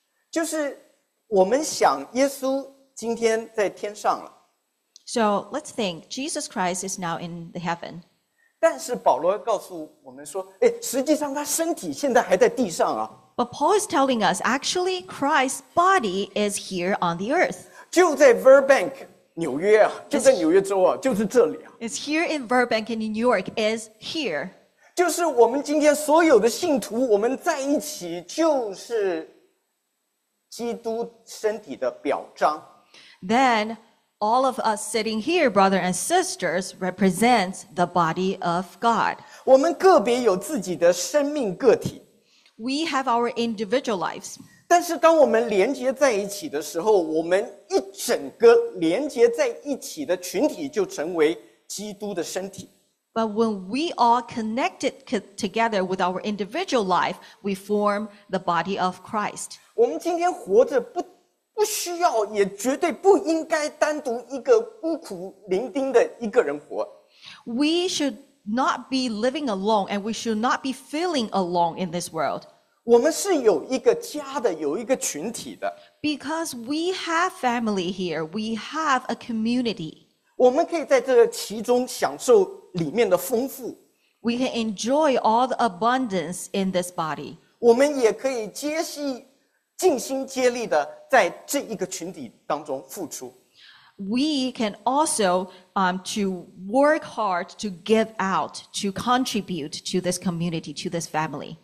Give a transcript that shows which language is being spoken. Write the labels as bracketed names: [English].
[Chinese] 就是我们想耶稣今天在天上了。 [English] So let's think, Jesus Christ is now in the heaven. [Chinese] 但是保罗告诉我们说，哎，实际上他身体现在还在地上啊。 [English] But Paul is telling us, actually, Christ's body is here on the earth. [Chinese] 就在 Verbank, 纽约啊，就在纽约州啊，就是这里啊。 [English] It's here in Verbank in New York, is here. [Chinese] 就是我们今天所有的信徒，我们在一起就是基督身体的表彰。 [English] Then, All of us sitting here, brothers and sisters, represents the body of God. [Chinese] 我们个别有自己的生命个体。 [English] We have our individual lives. [Chinese] 但是当我们连接在一起的时候，我们一整个连接在一起的群体就成为基督的身体。 [English] But when we all connected together with our individual life, we form the body of Christ. [Chinese] 我们今天活着不需要，也绝对不应该单独一个孤苦伶仃的一个人活。 [English] We should not be living alone, and we should not be feeling alone in this world. [Chinese] 我们是有一个家的，有一个群体的。 [English] Because we have family here, we have a community. [Chinese] 我们可以在这其中享受里面的丰富。 [English] We can enjoy all the abundance in this body. [Chinese] 我们也可以尽心竭力的在这一个群体当中付出。 [English] We can also, to work hard to give out, to contribute to this community, to this family.